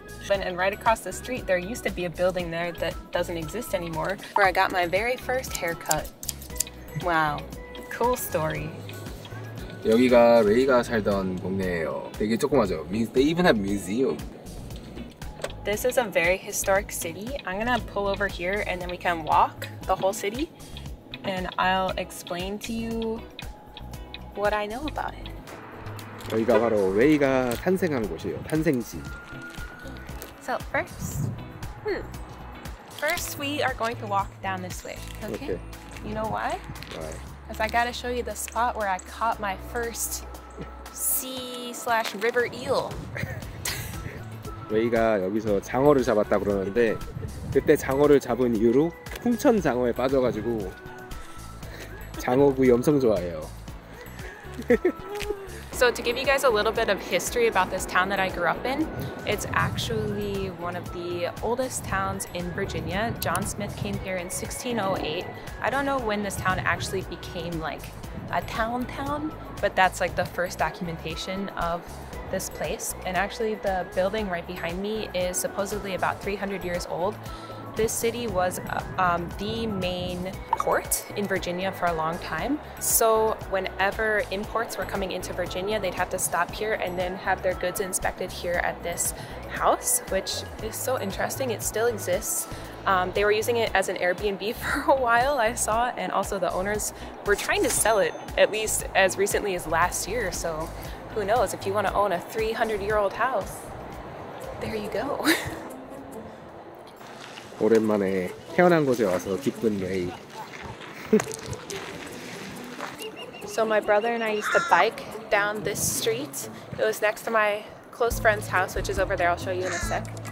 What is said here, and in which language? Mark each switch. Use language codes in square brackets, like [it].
[en] And right across the street, there used to be a building there that doesn't exist anymore where I got my very first haircut. Wow, cool story. [ko] 여기가 레이가 살던 동네예요. 되게 조그마죠. [en] They even have museum. This is a very historic city. I'm gonna pull over here and then we can walk the whole city and I'll explain to you what I know about it. [ko] 여기가 바로 레이가 탄생한 곳이에요. 탄생지. [en] So first, first we are going to walk down this way. Okay. You know why? Why? Because I gotta show you the spot where I caught my first sea/river eel. [ko] 레이가 여기서 장어를 잡았다 그러는데 그때 장어를 잡은 이후로 풍천 장어에 빠져가지고 장어구이 엄청 좋아해요. [en] So to give you guys a little bit of history about this town that I grew up in, it's actually one of the oldest towns in Virginia. John Smith came here in 1608. I don't know when this town actually became like a town town, but that's like the first documentation of this place. And actually the building right behind me is supposedly about 300 years old. This city was the main port in Virginia for a long time. So whenever imports were coming into Virginia, they'd have to stop here and then have their goods inspected here at this house, which is so interesting. It still exists. They were using it as an Airbnb for a while, I saw, and also the owners were trying to sell it at least as recently as last year. So who knows, if you want to own a 300-year-old house, there you go. [ko] 오랜만에 태어난 곳에 와서 기쁜 레이. [en] So my brother and I used to bike down this street. It was next to my close friend's house, which is over there. I'll show you in a sec.